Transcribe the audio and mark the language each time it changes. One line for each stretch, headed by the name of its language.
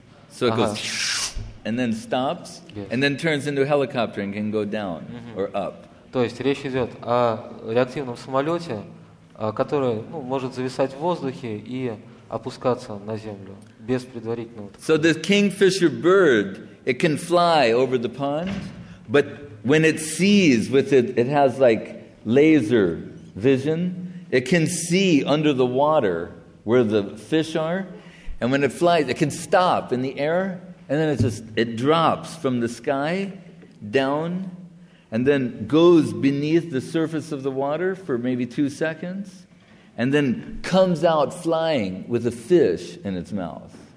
English: So it goes, and then stops, yes, and then turns into a helicopter and can go down mm-hmm. or up.
Russian: То есть речь идет о реактивном самолете, который может зависать в воздухе и опускаться на землю без предварительного.
English: So this kingfisher bird, it can fly over the pond, but when it sees with it, it has like laser vision, it can see under the water where the fish are. And when it flies, it can stop in the air, and then it drops from the sky down, and then goes beneath the surface of the water for maybe 2 seconds, and then comes out flying with a fish in its mouth.